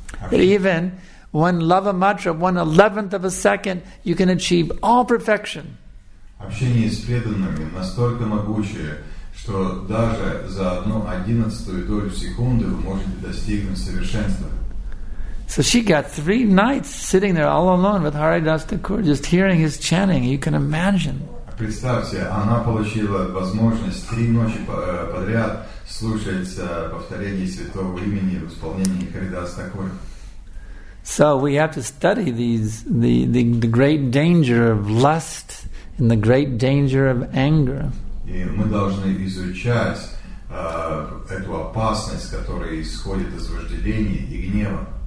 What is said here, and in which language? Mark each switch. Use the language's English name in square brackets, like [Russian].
[English] That even one lava mantra, 1/11th of a second, you can achieve all perfection. [Russian] Общение с преданными настолько могучее, что даже за 1/11 долю секунды вы можете достигнуть совершенства. [English] So she got 3 nights sitting there all alone with Haridas Thakur, just hearing his chanting. You can imagine. [Russian] Представьте, она получила возможность 3 ночи подряд слушать повторение святого имени в исполнении Харидаса Такур. [English] So we have to study these the great danger of lust and the great danger of anger. [Russian] И мы должны изучать эту опасность, которая исходит из вожделения и гнева.